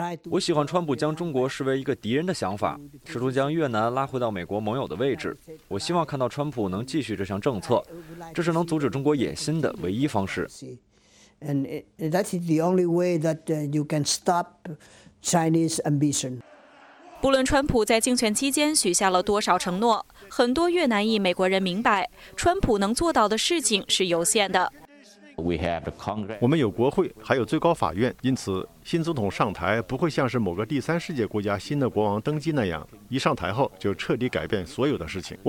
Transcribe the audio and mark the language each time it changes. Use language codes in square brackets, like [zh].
[zh] 我喜欢川普将中国视为一个敌人的想法，试图将越南拉回到美国盟友的位置。我希望看到川普能继续这项政策，这是能阻止中国野心的唯一方式。 [en] And that's the only way that you can stop Chinese ambition. [zh] 不论川普在竞选期间许下了多少承诺，很多越南裔美国人明白，川普能做到的事情是有限的。我们有国会，还有最高法院，因此新总统上台不会像是某个第三世界国家新的国王登基那样，一上台后就彻底改变所有的事情。